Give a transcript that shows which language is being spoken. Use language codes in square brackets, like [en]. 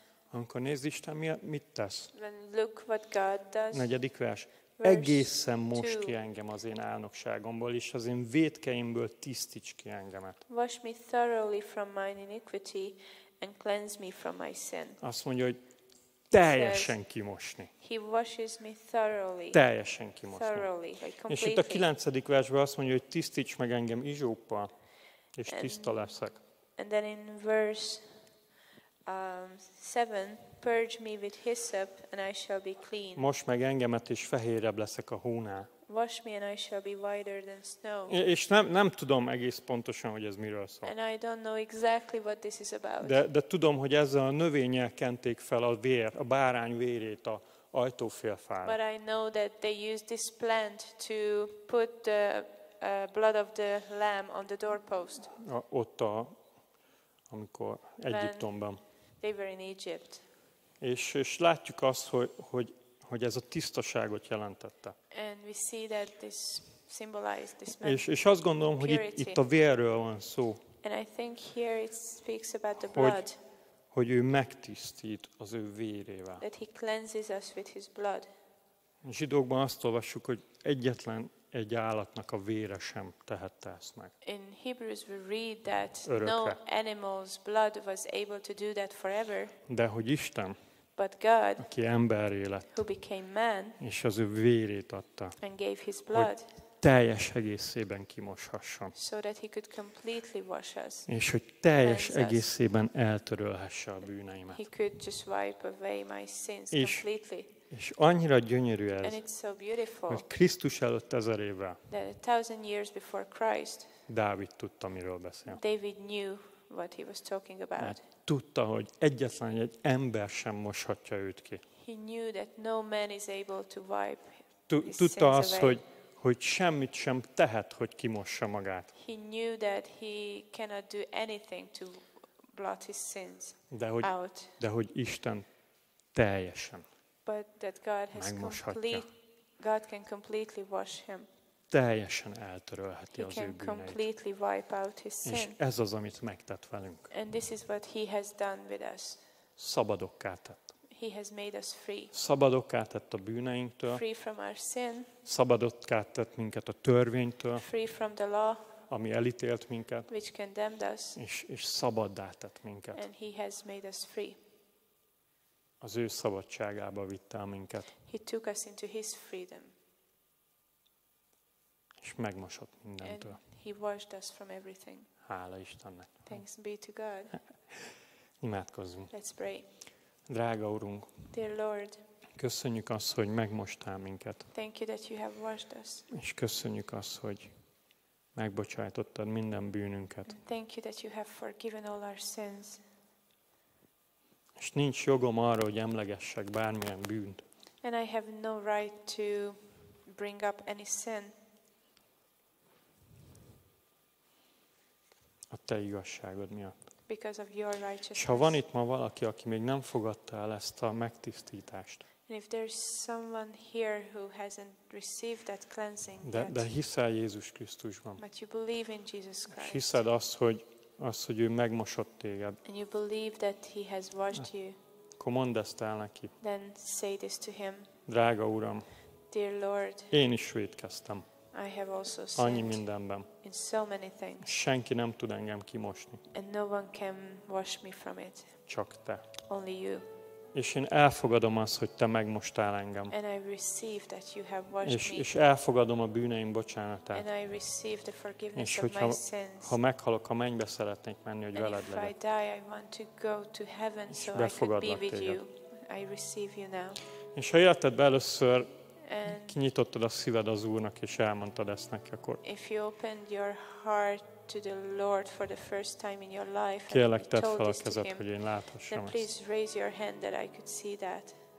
[hu] Amikor nézd Isten mit tesz. [en] When look what God does. [hu] Negyedik vers. Egészen most ki engem az én álnokságomból, és az én vétkeimből tisztíts ki engemet. [en] Wash me thoroughly from my iniquity and cleanse me from my sin. [hu] Azt mondja, hogy teljesen kimosni. [en] He washes me thoroughly. [hu] Teljesen kimosni. [en] Thoroughly, like completely. [hu] És itt a 9. versben azt mondja, hogy tisztíts meg engem izsóppal, és tiszta leszek. [en] And then in verse 7, purge me with hyssop and I shall be clean. [hu] Mosd meg engemet és fehérebb leszek a hónál. [en] Wash me and I shall be whiter than snow. [hu] És nem tudom egész pontosan, hogy ez miről szól. [en] And I don't know exactly what this is about. [hu] De tudom, hogy ezzel a növénnyel kenték fel a vér, a bárány vérét a ajtófélfára. [en] But I know that they used this plant to put the blood of the lamb on the doorpost. [hu] Amikor Egyiptomban. [en] They were in Egypt. [hu] És látjuk azt, hogy ez a tisztaságot jelentette. [en] And we see that this symbolized this man. [hu] És azt gondolom, hogy itt a vérről van szó. [en] And I think here it speaks about the [hu] hogy, [en] blood. [hu] Hogy ő megtisztít az ő vérével. [en] That he cleanses us with his blood. [hu] A zsidókban azt olvassuk, hogy egyetlen egy állatnak a vére sem tehette ezt meg. [en] In Hebrews we read that [hu] örökre. [en] No animal's blood was able to do that forever. [hu] De hogy Isten, [en] but God, [hu] aki emberré lett, [en] who became man, [hu] és az ő vérét adta, [en] and gave his blood, [hu] hogy teljes egészében kimoshasson, [en] so that he could completely wash us, [hu] és hogy teljes egészében eltörölhesse a bűneimet. [en] He could just wipe away my sins completely. [hu] És annyira gyönyörű ez, [en] and it's so beautiful, [hu] hogy Krisztus előtt 1000 évvel, [en] that 1000 years before Christ, [hu] Dávid tudta, miről beszél. [en] David knew what he was talking about. [hu] Tudta, hogy egyetlen egy ember sem moshatja őt ki. [en] He knew that no man is able to wipe his sins away. [hu] Tudta azt, hogy semmit sem tehet, hogy kimossa magát. [en] He knew that he cannot do anything to blot his sins out. [hu] De hogy Isten teljesen. [en] But that God has God can completely wash him. [hu] Teljesen eltörölheti az ő bűneit. [en] He can completely wipe out his sin. [hu] És ez az, amit megtett velünk. [en] And this is what he has done with us. [hu] Szabadokká tett. [en] He has made us free. [hu] Szabadokká tett a bűneinktől. [en] Free from our sin. [hu] Szabadokká tett minket a törvénytől. [en] Free from the law. [hu] Ami elítélt minket. [en] Which condemned us. [hu] És szabaddá tett minket. [en] And he has made us free. [hu] Az ő szabadságába vitte minket. [en] He took us into his freedom. [hu] És megmosott mindentől. [en] And he washed us from everything. [hu] Hála Istennek. [en] Thanks be to God. [hu] Imádkozzunk. [en] Let's pray. [hu] Drága Urunk. [en] Dear Lord. [hu] Köszönjük azt, hogy megmostál minket. [en] Thank you that you have washed us. [hu] És köszönjük azt, hogy megbocsájtottad minden bűnünket. [en] And thank you that you have forgiven all our sins. [hu] És nincs jogom arra, hogy emlegessek bármilyen bűnt. [en] And I have no right to bring up any sin. [hu] A te igazságod miatt. [en] Because of your righteousness. [hu] És ha van itt ma valaki, aki még nem fogadta el ezt a megtisztítást. [en] And if there's someone here who hasn't received that cleansing yet. [hu] De hiszel Jézus Krisztusban. [en] But you believe in Jesus Christ. [hu] És hiszed azt, hogy ő megmosott téged. [en] And you believe that he has washed you. [hu] Akkor mondd ezt el neki. [en] Then say this to him. [hu] Drága Uram. [en] Dear Lord. [hu] Én is vétkeztem. [en] I have also sinned. [hu] Annyi mindenben. [en] In so many things. [hu] Senki nem tud engem kimosni. [en] And no one can wash me from it. [hu] Csak te. [en] Only you. [hu] És én elfogadom azt, hogy te megmostál engem. [en] And I receive that you have washed me. [hu] És elfogadom a bűneim bocsánatát. [en] And I receive the forgiveness of my sins. [hu] Ha meghalok a mennybe, szeretnék menni, hogy veled legyek. [en] And if I die, I want to go to heaven so I could be with you. I receive you now. [hu] És ha életedbe először kinyitottad a szíved az Úrnak és elmondtad ezt neki, akkor [en] if you opened your heart to the Lord for the first time in your life, [hu] kérlek, tedd fel a kezed, hogy én láthassam ezt. [en] Please raise your hand that I could see that.